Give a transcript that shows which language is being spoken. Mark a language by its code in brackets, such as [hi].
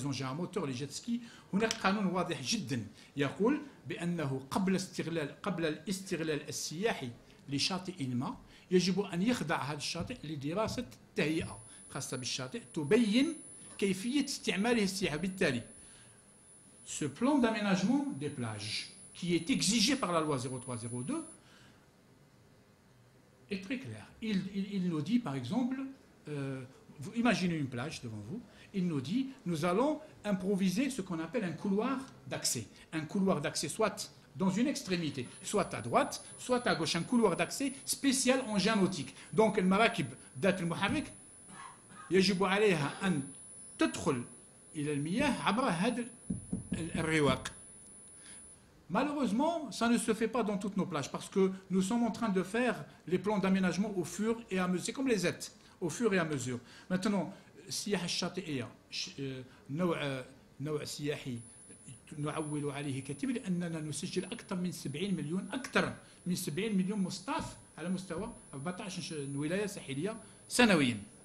[ar] الموتور الجيتسكي هناك قانون واضح جدا يقول بأنه قبل الاستغلال السياحي لشاطئ ما يجب أن يخضع هذا الشاطئ لدراسة تهيئة خاصة بالشاطئ تبين كيفية استعماله السياحة بالتالي [fr] ce plan d'aménagement des plages qui est exigé par la loi 0302 est très clair. Il nous dit par exemple vous imaginez une plage devant vous, il nous dit nous allons improviser ce qu'on appelle un couloir d'accès soit dans une extrémité, soit à droite, soit à gauche, un couloir d'accès spécial en engin nautique. Donc le [ar] maraqib dat el muharrik يجب عليها أن تدخل إلى المياه عبر هذا الرواق. [fr] Malheureusement, ça ne se fait pas dans toutes nos plages parce que nous sommes en train de faire les plans d'aménagement au fur et à mesure. C'est comme les aides, au fur et à mesure. Maintenant, [ar] السياحة الشاطئية نوع سياحي نعول عليه كتير لأننا نسجل أكثر من 70 مليون أكثر من 70 مليون مستاف على مستوى 14 ولاية ساحلية سنويا.